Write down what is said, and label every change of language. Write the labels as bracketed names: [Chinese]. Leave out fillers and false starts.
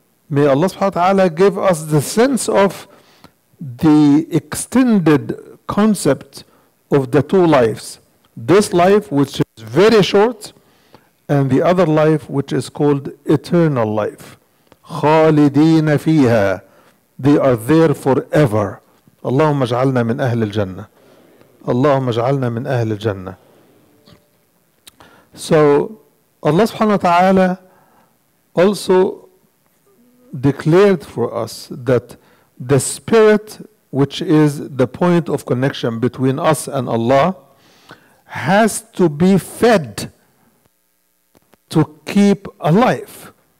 [English] May Allah subhanahu wa ta'ala give us the sense of the extended concept of the two lives. This life, which is very short, and the other life, which is called eternal life. خالدين فيها. They are there forever. [Arabic] اللهم اجعلنا من أهل الجنة. اللهم اجعلنا من أهل الجنة. [English] So Allah subhanahu wa ta'ala also declared for us that the spirit, which is the point of connection between us and Allah, has to be fed to keep alive.